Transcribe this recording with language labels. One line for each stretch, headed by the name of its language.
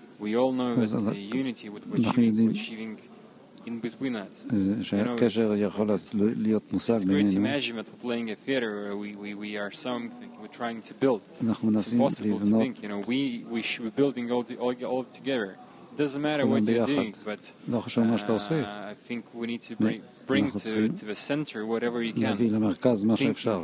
English: We all know that the unity with which we're achieving in between us.
Hebrew: שהקשר יכול להיות מושג בינינו.
English: It's great to imagine that we're playing a theater where we are something, we're trying to build.
Hebrew: אנחנו מנסים לבנות.
English: To think, you know, we should be building all together. It doesn't matter what you're doing, but
Hebrew: לא חשוב מה שאתה עושה.
English: I think we need to bring to the center whatever you can.
Hebrew: להביא למרכז מה שאפשר.